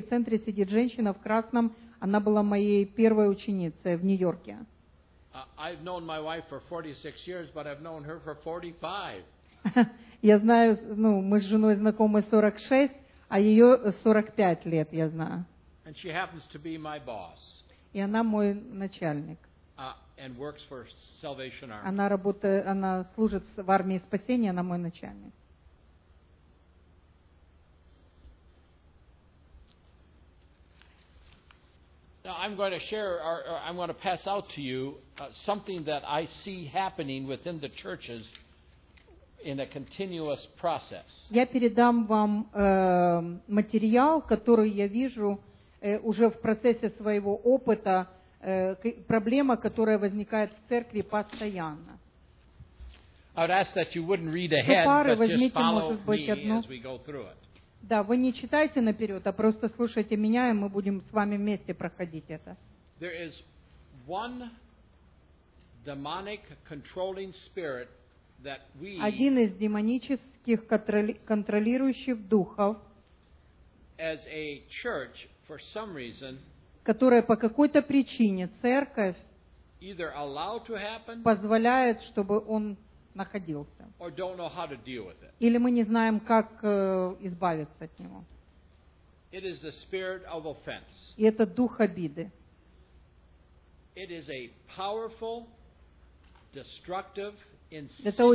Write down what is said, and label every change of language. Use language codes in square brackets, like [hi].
[ru] В центре сидит женщина в красном. Она была моей первой ученицей в Нью-Йорке. [en] I've known my wife for 46 years, but I've known her for 45. [ru] Я знаю, ну, мы с женой знакомы 46, а ее 45 лет, я знаю. [en] And she happens to be my boss. [ru] И она мой начальник. [en] And works for Salvation Army. [ru] Она работает, она служит в армии спасения, она мой начальник. [en] Now I'm going to share, or I'm going to pass out to you something that I see happening within the churches in a continuous process. [ru] Я передам вам материал, который я вижу уже в процессе своего опыта, проблема, которая возникает в церкви постоянно. [en] I would ask that you wouldn't read ahead, but just follow me as we go through it. [ru] Да, вы не читайте наперед, а просто слушайте меня, и мы будем с вами вместе проходить это. [en] There is one demonic controlling spirit that we. [ru] Один из демонических контролирующих духов. [en] As a church, for some reason. [ru] Которая по какой-то причине церковь [en] happen, [ru] позволяет, чтобы он находился. [en] Or don't know how to deal with it. [ru] Или мы не знаем, как избавиться от него. [en] It is the spirit of offense. [ru] И это дух обиды. [en] It is a powerful, destructive, insidious spirit.